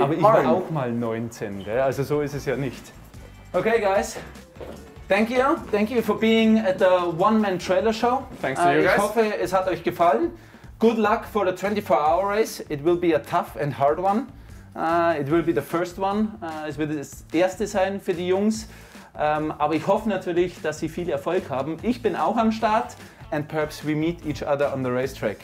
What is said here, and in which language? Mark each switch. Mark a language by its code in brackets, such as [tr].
[de] aber ich war auch mal 19, gell? Also so ist es ja nicht. [en] Okay, guys. Thank you for being at the one-man trailer show. Thanks to you guys. [de] Ich hoffe, es hat euch gefallen. [en] Good luck for the 24-hour race. It will be a tough and hard one. It will be the first one. [de] Es wird das erste sein für die Jungs. Aber ich hoffe natürlich, dass sie viel Erfolg haben. Ich bin auch am Start. [en] And perhaps we meet each other on the racetrack.